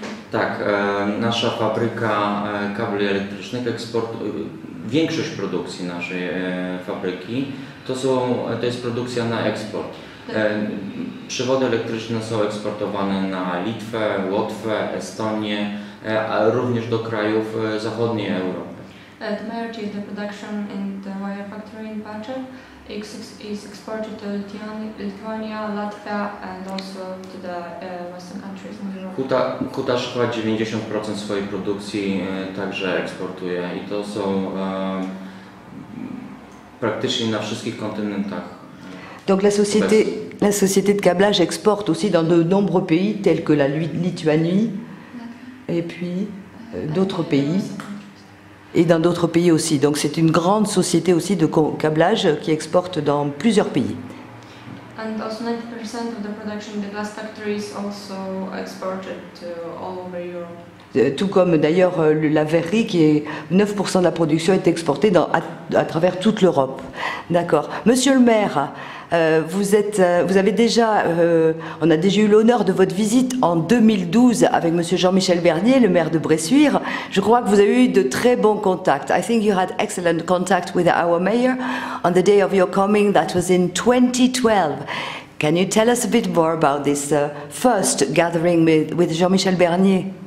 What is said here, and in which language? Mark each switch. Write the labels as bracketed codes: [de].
[pl] Tak, nasza fabryka kabli elektrycznych eksportuje większość produkcji naszej fabryki. To jest produkcja na eksport. Przewody elektryczne są eksportowane na Litwę, Łotwę, Estonię, a również do krajów zachodniej Europy. [en] To merge the production in the wire factory in Bacze. Is exported to Lithuania, Latvia and also to the Western countries. [pl] Huta szkła 90% swojej produkcji także eksportuje i to są praktycznie na wszystkich kontynentach. [fr] Donc la société de câblage exporte aussi dans de nombreux pays tels que la Lituanie et puis d'autres pays. Et dans d'autres pays aussi. Donc c'est une grande société aussi de câblage qui exporte dans plusieurs pays. [en] And also 90% of the production in the glass factory is also exported to all over Europe. [fr] Tout comme d'ailleurs la verrerie qui est 9% de la production est exportée à travers toute l'Europe. D'accord. Monsieur le maire, on a déjà eu l'honneur de votre visite en 2012 avec monsieur Jean-Michel Bernier, le maire de Bressuire. Je crois que vous avez eu de très bons contacts. [en] I think you had excellent contact with our mayor on the day of your coming, that was in 2012. Can you tell us a bit more about this first gathering with Jean-Michel Bernier?